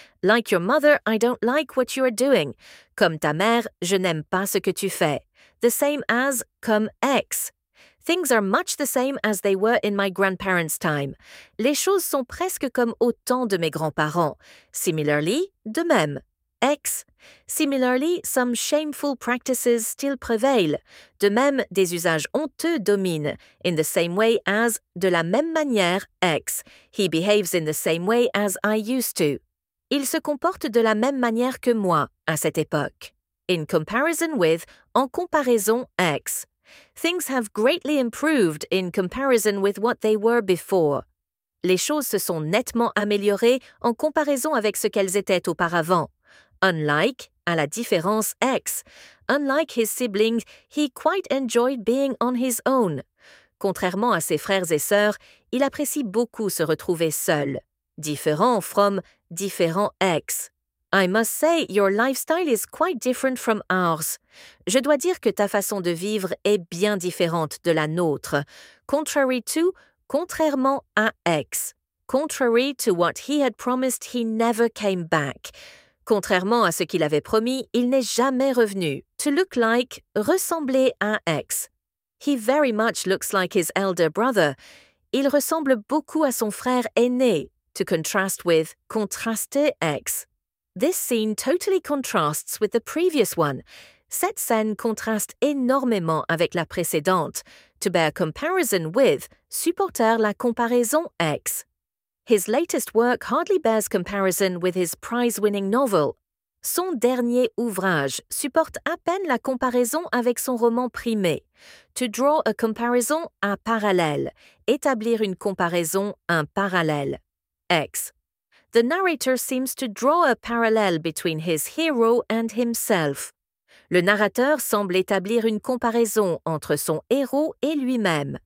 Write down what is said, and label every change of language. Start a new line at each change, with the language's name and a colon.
English: Like your mother, I don't like what you are doing.
French: Comme ta mère, je n'aime pas ce que tu fais.
English: The same as,
French: comme ex.
English: Things are much the same as they were in my grandparents' time.
French: Les choses sont presque comme au temps de mes grands-parents.
English: Similarly,
French: de même.
English: Ex. Similarly, some shameful practices still prevail.
French: De même, des usages honteux dominent.
English: In the same way as,
French: de la même manière, ex.
English: He behaves in the same way as I used to.
French: Il se comporte de la même manière que moi, à cette époque.
English: In comparison with,
French: en comparaison,
English: ex. Things have greatly improved in comparison with what they were before.
French: Les choses se sont nettement améliorées en comparaison avec ce qu'elles étaient auparavant.
English: Unlike,
French: à la différence,
English: ex. Unlike his siblings, he quite enjoyed being on his own.
French: Contrairement à ses frères et sœurs, il apprécie beaucoup se retrouver seul.
English: Différent from,
French: différent
English: ex. I must say, your lifestyle is quite different from ours.
French: Je dois dire que ta façon de vivre est bien différente de la nôtre.
English: Contrary to,
French: contrairement à
English: ex. Contrary to what he had promised, he never came back.
French: Contrairement à ce qu'il avait promis, il n'est jamais revenu.
English: To look like,
French: ressembler à
English: ex. He very much looks like his elder brother.
French: Il ressemble beaucoup à son frère aîné.
English: To contrast with,
French: contraster ex.
English: This scene totally contrasts with the previous one.
French: Cette scène contraste énormément avec la précédente.
English: To bear comparison with,
French: supporter la comparaison
English: ex. His latest work hardly bears comparison with his prize-winning novel.
French: Son dernier ouvrage supporte à peine la comparaison avec son roman primé.
English: To draw a comparison,
French: à parallèle. Établir une comparaison, un parallèle. Ex.
English: The narrator seems to draw a parallel between his hero and himself.
French: Le narrateur semble établir une comparaison entre son héros et lui-même.